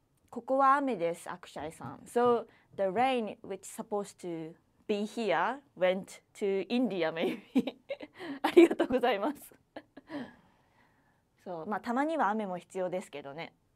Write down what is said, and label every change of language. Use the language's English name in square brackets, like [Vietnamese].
[Japanese] ここは雨です、アクシャイさん。 [English] So, the rain which is supposed to be here went to India, maybe. [Japanese] ありがとうございます。そう、まあ、たまには雨も必要ですけどね。